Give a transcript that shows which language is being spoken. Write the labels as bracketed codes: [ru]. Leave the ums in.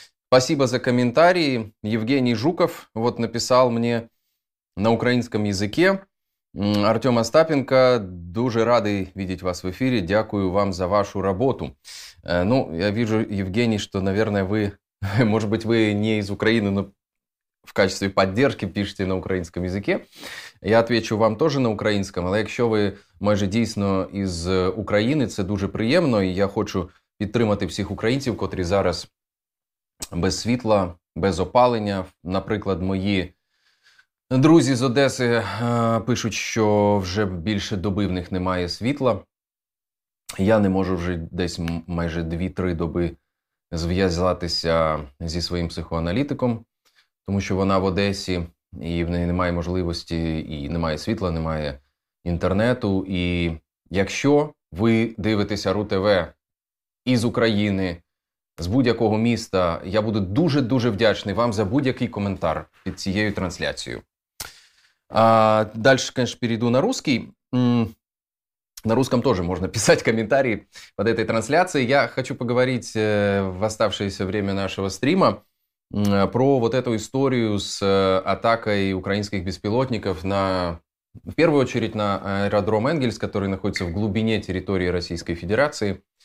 [ru] Спасибо за комментарии. Евгений Жуков вот написал мне на украинском языке. Артем Остапенко, [uk] дуже радий [ru] видеть вас в эфире. [uk] Дякую вам за вашу работу. [ru] Ну, я вижу, Евгений, что, наверное, вы, может быть, вы не из Украины, но в качестве поддержки пишете на українському языке. Я отвечу вам [uk] теж на українському, але якщо ви майже дійсно із України, це дуже приємно, і я хочу підтримати всіх українців, котрі зараз без світла, без опалення. Наприклад, мої друзі з Одеси е, пишуть, що вже більше доби в них немає світла. Я не можу вже десь м- майже 2-3 доби зв'язатися зі своїм психоаналітиком. Тому що вона в Одесі, і в неї немає можливості, і немає світла, немає інтернету. І якщо ви дивитеся ру ТВ із України, з будь-якого міста, я буду дуже-дуже вдячний вам за будь-який коментар під цією трансляцією. [ru] А, дальше, конечно, перейду на русский. М, На русском тоже можно писать комментарии под этой трансляцией. Я хочу поговорить э, в оставшееся время нашего стрима м, про вот эту историю с э, атакой украинских беспилотников на, в первую очередь, на аэродром Энгельс, который находится в глубине территории Российской Федерации.